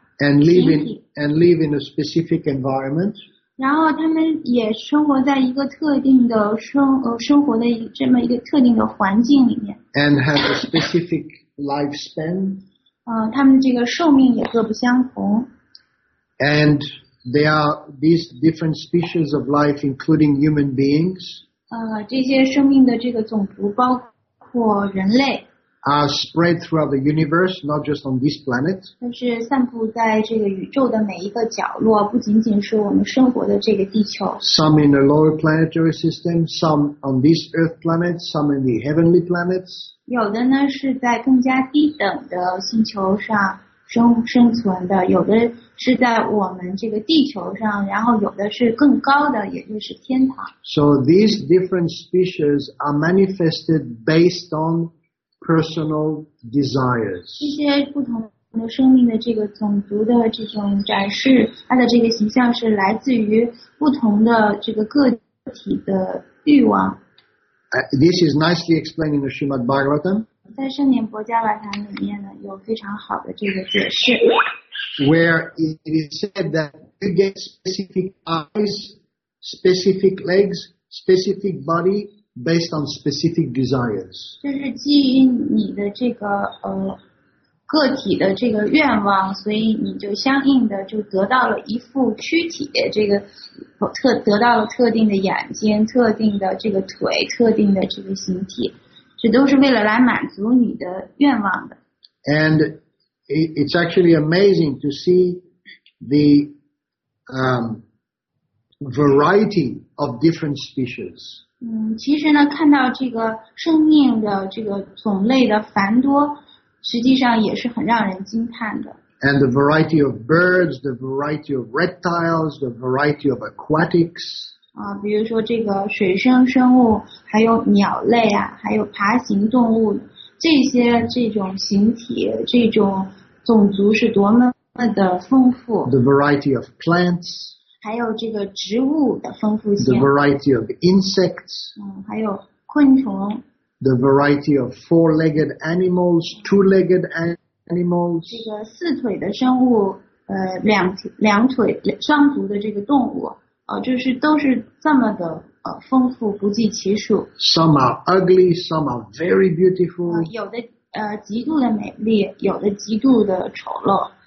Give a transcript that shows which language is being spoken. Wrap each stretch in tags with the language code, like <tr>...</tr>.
<en>And live in a specific environment.</en> <zh>然后他们也生活在一个特定的生活的这么一个特定的环境里面。</zh> <en>And have a specific lifespan.</en> <zh>他们这个寿命也各不相同。</zh> <en>And. There are these different species of life, including human beings.</en> <zh>这些生命的这个种族包括人类。</zh> <en>Are spread throughout the universe, not just on this planet.</en> <zh>但是散布在这个宇宙的每一个角落，不仅仅是我们生活的这个地球。</zh> <en>Some in the lower planetary system, some on this Earth planet, some in the heavenly planets.</en> <zh>有的呢是在更加低等的星球上。生存的，有的是在我们这个地球上，然后有的是更高的，也就是天堂。</zh> <en>So these different species are manifested based on personal desires.</en> <zh>这些不同我们生命的这个种族的这种展示，它的这个形象是来自于不同的这个个体的欲望。</zh> <en>This is nicely explained in the Srimad Bhagavatam.</en> <zh>在圣严伯伽瓦塔里面呢，有非常好的这个解释。</zh> <en>Where it is said that you get specific eyes, specific legs, specific body based on specific desires.</en> <zh>就是基于你的这个个体的这个愿望，所以你就相应的就得到了一副躯体，这个得到了特定的眼睛、特定的这个腿、特定的这个形体，这都是为了来满足你的愿望的。</zh> <en>And it's actually amazing to see the variety of different species.</en> <zh>其实呢，看到这个生命的这个种类的繁多，实际上也是很让人惊叹的。</zh> <en>And the variety of birds, the variety of reptiles, the variety of aquatics.</en> <zh>比如说这个水生生物，还有鸟类啊，还有爬行动物，这些这种形体，这种种族是多么的丰富。</zh> <en>The variety of plants.</en> <zh>还有这个植物的丰富性。</zh> <en>The variety of insects.</en> <zh>还有昆虫。</zh> <en>The variety of four-legged animals, two-legged animals.</en> <zh>这个四腿的生物，两腿双足的这个动物，就是都是这么的丰富，不计其数。</zh> <en>Some are ugly, some are very beautiful.</en> <zh>有的极度的美丽，有的极度的丑陋。</zh>